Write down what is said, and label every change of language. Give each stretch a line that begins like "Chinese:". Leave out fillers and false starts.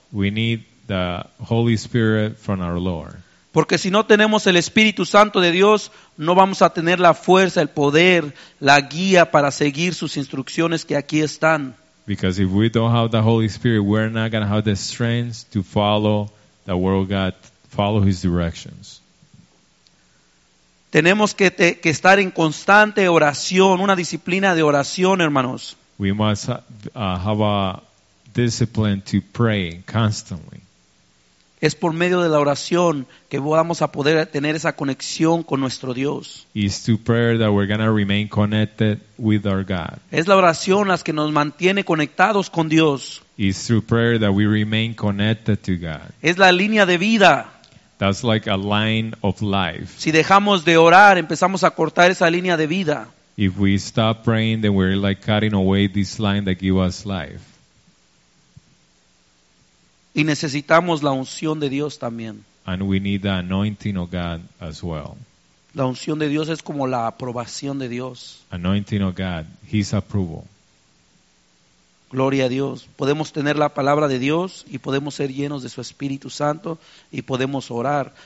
English: We need the Holy Spirit from our Lord.
Spanish: Porque si no tenemos el Espíritu Santo de Dios, no vamos a tener la fuerza, el poder, la guía para seguir sus instrucciones que aquí están.
English: Because if we don't have the Holy Spirit, we're not going to have the strength to follow the word of God, follow His directions.
Spanish: Tenemos que estar en constante oración, una disciplina de oración, hermanos.
English: We must have a discipline to pray constantly.
Spanish: Es por medio de la oración que vamos a poder tener esa conexión con nuestro Dios.
English: It's through prayer that we're going to remain connected with our God.
Spanish: Es la oración las que nos mantiene conectados con Dios.
English: It's through prayer that we remain connected to God.
Spanish: Es la línea de vida.
English: That's like a line of life.
Spanish: Si dejamos de orar, empezamos a cortar esa línea de vida.
English: If we stop praying, then we're like cutting away this line that gives us life.
Spanish: Y necesitamos la unción de Dios también.
English: And we need the anointing of God as well.
Spanish: La unción de Dios es como la aprobación de Dios.
English: Anointing of God, His approval.
Spanish: Gloria a Dios. Podemos tener la palabra de Dios y podemos ser llenos de su Espíritu Santo y podemos orar.